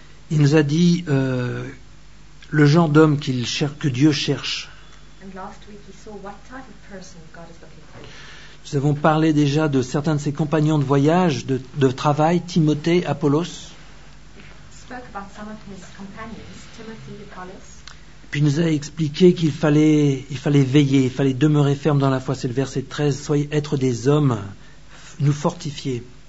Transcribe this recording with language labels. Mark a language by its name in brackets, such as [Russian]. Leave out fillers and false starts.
[French] Il nous a dit le genre d'homme que Dieu cherche. [English] And last week he saw what type of person God is looking for. [French] Nous avons parlé déjà de certains de ses compagnons de voyage, de travail, Timothée, Apollos. [English] He spoke about some of his companions, Timothy, Apollos. [French] Puis il nous a expliqué qu'il fallait, veiller, il fallait demeurer ferme dans la foi. C'est le verset 13, soyez être des hommes, nous fortifier.